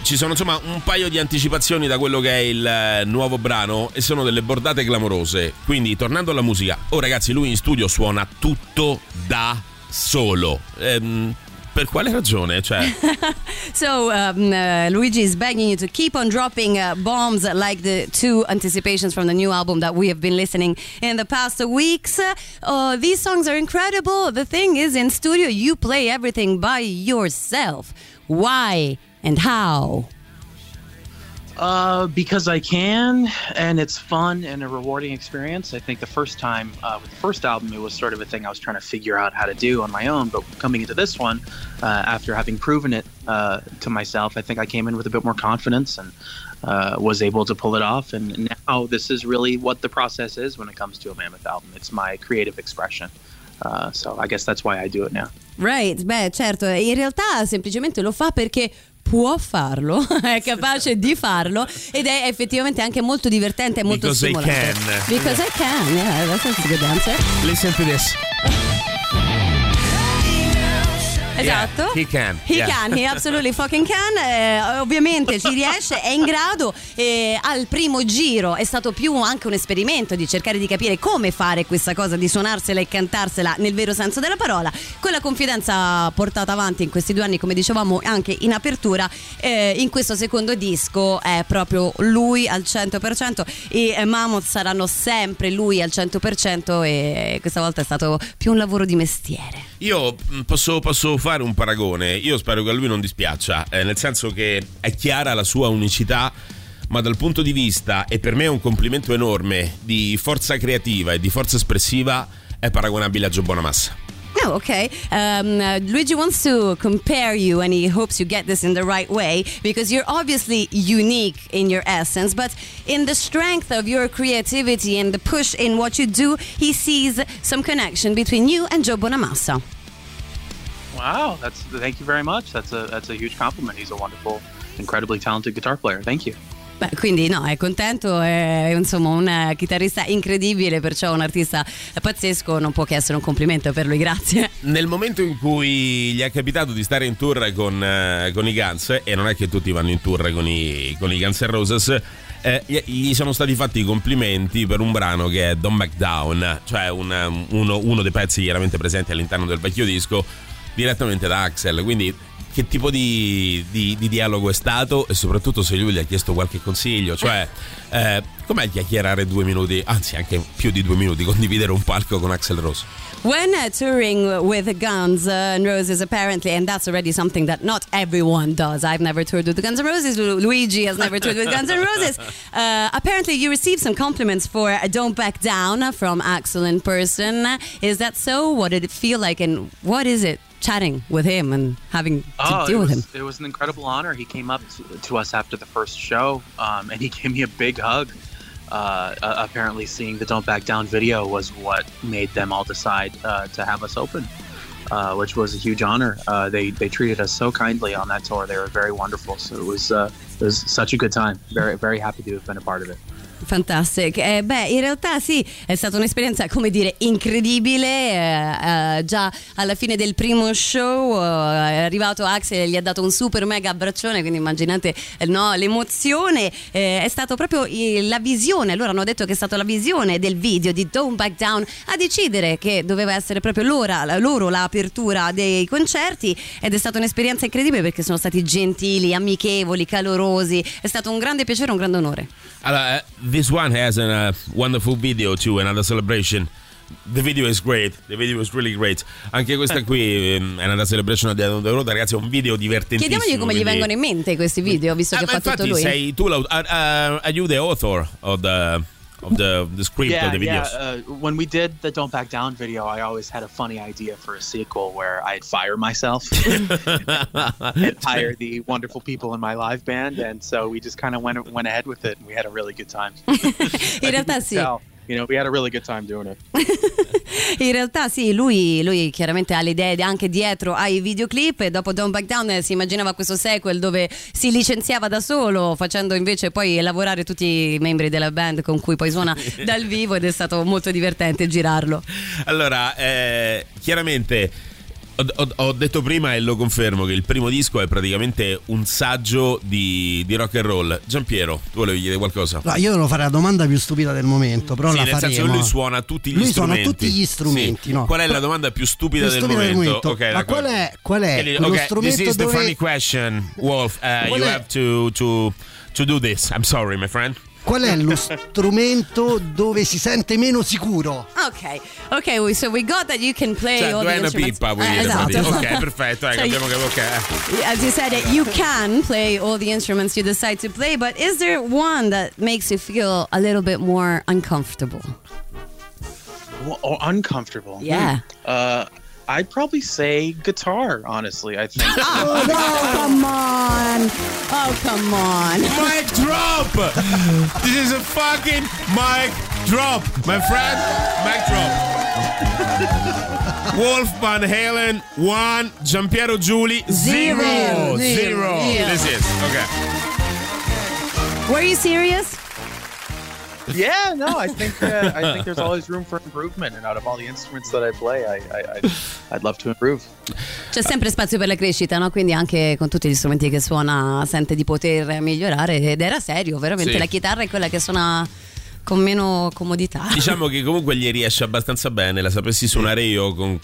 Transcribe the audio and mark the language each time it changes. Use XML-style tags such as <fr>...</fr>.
<it>Ci sono insomma un paio di anticipazioni da quello che è il nuovo brano, e sono delle bordate clamorose. Quindi, tornando alla musica, ragazzi, lui in studio suona tutto da solo. Per quale ragione? Cioè.</it> <en>So Luigi is begging you to keep on dropping bombs like the two anticipations from the new album that we have been listening in the past weeks. These songs are incredible. The thing is, in studio you play everything by yourself. Why and how? Because I can, and it's fun and a rewarding experience. I think the first time with the first album, it was sort of a thing I was trying to figure out how to do on my own. But coming into this one, after having proven it to myself, I think I came in with a bit more confidence and was able to pull it off. And now this is really what the process is when it comes to a Mammoth album. It's my creative expression. So I guess that's why I do it now. Right.</en> <it>Beh, certo. In realtà, semplicemente lo fa perché può farlo, è capace di farlo, ed è effettivamente anche molto divertente e molto</it> <en>because</en> <it>stimolante.</it> <en>I can. Because I can. Yeah, that sounds a good answer. Listen to this.</en> <it>Esatto.</it> <en>Yeah, he can. He yeah. can, he absolutely fucking can.</en> <it>Ovviamente ci riesce, è in grado. Al primo giro è stato più anche un esperimento di cercare di capire come fare questa cosa di suonarsela e cantarsela nel vero senso della parola. Con la confidenza portata avanti in questi due anni, come dicevamo anche in apertura, in questo secondo disco è proprio lui al 100%. E Mammoth saranno sempre lui al 100%, e questa volta è stato più un lavoro di mestiere. Io posso fare un paragone, io spero che a lui non dispiaccia, nel senso che è chiara la sua unicità, ma dal punto di vista, e per me è un complimento enorme, di forza creativa e di forza espressiva, è paragonabile a Joe Bonamassa.</it> <en>Oh, okay. Luigi wants to compare you, and he hopes you get this in the right way, because you're obviously unique in your essence, but in the strength of your creativity and the push in what you do, he sees some connection between you and Joe Bonamassa. Wow, thank you very much. That's a huge compliment. He's a wonderful, incredibly talented guitar player. Thank you.</en> <it>Beh, quindi no, è contento, è insomma un chitarrista incredibile, perciò un artista pazzesco, non può che essere un complimento per lui, grazie. Nel momento in cui gli è capitato di stare in tour con i Guns, e non è che tutti vanno in tour con i Guns N' Roses, gli sono stati fatti i complimenti per un brano che è Don't Back Down, cioè uno dei pezzi chiaramente presenti all'interno del vecchio disco, direttamente da Axel. Quindi che tipo di dialogo è stato, e soprattutto se lui gli ha chiesto qualche consiglio, cioè com'è chiacchierare due minuti, anzi anche più di due minuti, condividere un palco con Axl Rose?</it> <en>When touring with Guns N' Roses, apparently, and that's already something that not everyone does. I've never toured with Guns N' Roses. Luigi has never toured with Guns N' Roses. Apparently, you received some compliments for Don't Back Down from Axl in person. Is that so? What did it feel like, and what is it chatting with him and having to deal with him? It was an incredible honor. He came up to us after the first show, and he gave me a big hug. apparently seeing the Don't Back Down video was what made them all decide to have us open, which was a huge honor. They treated us so kindly on that tour. They were very wonderful. So it was such a good time. Very, very happy to have been a part of it. Fantastic.</en> <it>In realtà sì, è stata un'esperienza, come dire, incredibile. Già alla fine del primo show è arrivato Axel e gli ha dato un super mega abbraccione, quindi immaginate no, l'emozione. È stato proprio la visione, loro hanno detto che è stata la visione del video di Don't Back Down a decidere che doveva essere proprio l'ora, loro l'apertura dei concerti, ed è stata un'esperienza incredibile perché sono stati gentili, amichevoli, calorosi. È stato un grande piacere, un grande onore. Allora,</it> <en>this one has a wonderful video too, another celebration. The video is great. The video is really great.</en> <it>Anche questa qui è</it> <en>another celebration</en> <it>di Adon Road, ragazzi, è un video divertentissimo. Chiediamogli come gli vengono in mente questi video, visto che fa tutto lui. Infatti sei tu</it> <en>are you the author of the script of the videos? When we did the Don't Back Down video, I always had a funny idea for a sequel where I'd fire myself and hire the wonderful people in my live band, and so we just kind of went ahead with it, and we had a really good time.</en> <it>In realtà sì.</it> <en>You know, we had a really good time doing it.</en> <it>In realtà sì, lui chiaramente ha le idee anche dietro ai videoclip, e dopo Don't Back Down si immaginava questo sequel dove si licenziava da solo, facendo invece poi lavorare tutti i membri della band con cui poi suona dal vivo, ed è stato molto divertente girarlo. Allora, chiaramente ho detto prima e lo confermo che il primo disco è praticamente un saggio di rock and roll. Giampiero, tu volevi chiedere qualcosa? No, io devo fare la domanda più stupida del momento, però sì, la nel faremo. Senso, lui suona tutti gli lui strumenti. Lui suona tutti gli strumenti, sì. No. Qual è la domanda più stupida del momento? Okay, ma qual è lo strumento dove...</it> <en>This is</en> <it>dove...</it> <en>the funny question, Wolf. You è... have to do this. I'm sorry, my friend.</en> <it>Qual è lo strumento dove si sente meno sicuro?</it> <en>Okay, so we got that you can play,</en> <it>cioè,</it> <en>all the instruments.</en> <it>Pipa, esatto. Okay, perfetto, so abbiamo capito. Okay.</it> <en>As you said, you can play all the instruments you decide to play, but is there one that makes you feel a little bit more uncomfortable? Or uncomfortable? Yeah. I'd probably say guitar, honestly, I think. Oh, no, come on. Oh, come on. Mic drop. This is a fucking mic drop, my friend. Mic drop. Wolf Van Halen, 1. Giampiero Giuli, 0. Zero. This is, okay. Were you serious? Yeah, no, I think there's always room for improvement, and out of all the instruments that I play, I'd love to improve.</en> <it>C'è sempre spazio per la crescita, no? Quindi anche con tutti gli strumenti che suona sente di poter migliorare, ed era serio, veramente, sì. La chitarra è quella che suona con meno comodità. Diciamo che comunque gli riesce abbastanza bene, la sapessi suonare io con</it>